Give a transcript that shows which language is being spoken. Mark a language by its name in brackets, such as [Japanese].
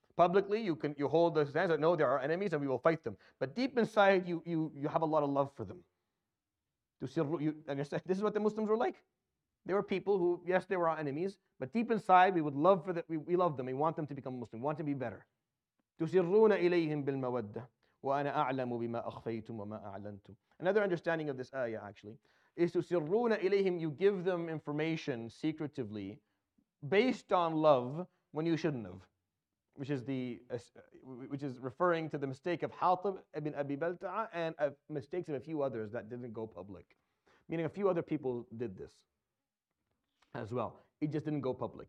[English] Publicly, you hold the stance that no, there are enemies and we will fight them. But deep inside, you have a lot of love for them. This is what the Muslims were like. They were people who, yes, they were our enemies, but deep inside, we love them. We want them to become Muslim. We want them to be better. [Arabic] تُسِرُّونَ إِلَيْهِمْ بِالْمَوَدَّةِ وَأَنَا أَعْلَمُ بِمَا أَخْفَيْتُمْ وَمَا أَعْلَنْتُمْ. [English] Another understanding of this ayah, actually, [Arabic] إِسْتُسِرُّونَ إِلَيْهِمْ [English] You give them information secretively based on love when you shouldn't have. Which is the referring to the mistake of Hatib ibn Abi Balta'a and mistakes of a few others that didn't go public. Meaning a few other people did this as well. It just didn't go public.